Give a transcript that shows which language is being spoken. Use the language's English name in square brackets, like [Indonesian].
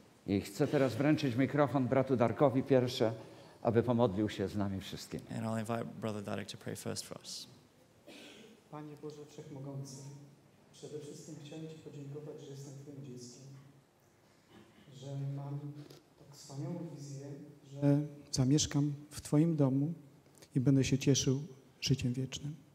[Polish] I chcę teraz wręczyć mikrofon bratu Darkowi pierwsze, aby pomodlił się z nami wszystkim. [English] And I'll invite brother Darek to pray first for us. [Polish] Panie Boże Wszechmogący, przede wszystkim chciałem Ci podziękować, że jestem Twoim dzieckiem, że mam tak wspaniałą wizję, że zamieszkam w Twoim domu i będę się cieszył życiem wiecznym.